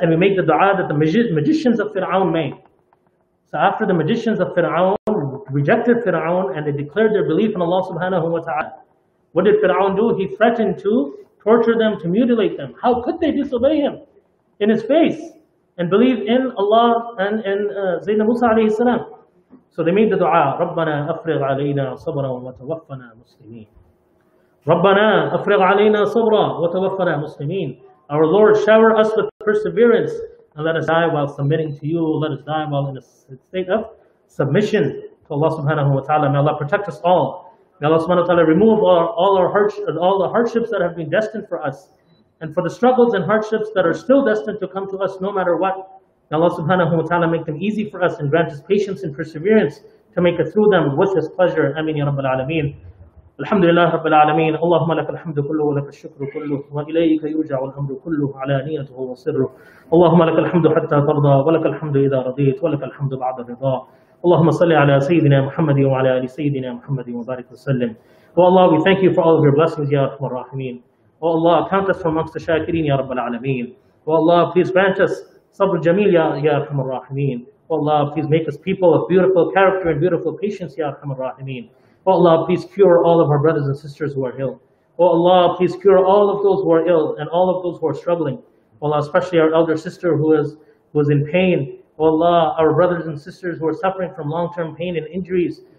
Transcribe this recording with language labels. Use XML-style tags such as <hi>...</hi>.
<en>And we make the dua that the magicians of Fir'aun made. So after the magicians of Fir'aun rejected Fir'aun and they declared their belief in Allah subhanahu wa ta'ala, what did Fir'aun do? He threatened to torture them, to mutilate them. How could they disobey him in his face and believe in Allah and in Sayyidina Musa alayhi salam? So they made the dua,</en> <ar>رَبَّنَا أَفْرِغْ عَلَيْنَا صَبْرًا وَتَوَفَّنَا مُسْلِمِينَ. رَبَّنَا أَفْرِغْ عَلَيْنَا صَبْرًا وَتَوَفَّنَا مُسْلِمِينَ.</ar> <en>Our Lord, shower us with perseverance and let us die while submitting to you. Let us die while in a state of submission to Allah subhanahu wa ta'ala. May Allah protect us all. May Allah subhanahu wa ta'ala remove all the hardships that have been destined for us and for the struggles and hardships that are still destined to come to us no matter what. May Allah subhanahu wa ta'ala make them easy for us and grant us patience and perseverance to make it through them with His pleasure. Ameen ya Rabbil Alameen.</en> <ar>الحمد لله رب العالمين اللهم لك الحمد كله ولك الشكر كله وإليك يرجع الأمر كله على نيته وسره اللهم لك الحمد حتى ترضى ولك الحمد إذا رضيت ولك الحمد بعد الرضا اللهم صل على سيدنا محمد وعلى آل سيدنا محمد وبارك وسلم والله</ar> <en>we thank you for all of your blessings</en> <ar>يا رحمن الرحيم والله</ar> <en>count us amongst the shakirin</en> <ar>يا رب العالمين والله</ar> <en>please grant us</en> <ar>sabr jamil ya arhamar rahimin.</ar> <en>Oh Allah, please make us people of beautiful character and beautiful patience, ya arhamar rahimin. Oh Allah, please cure all of our brothers and sisters who are ill. Oh Allah, please cure all of those who are ill and all of those who are struggling. Oh Allah, especially our elder sister who is in pain. Oh Allah, our brothers and sisters who are suffering from long-term pain and injuries.</en>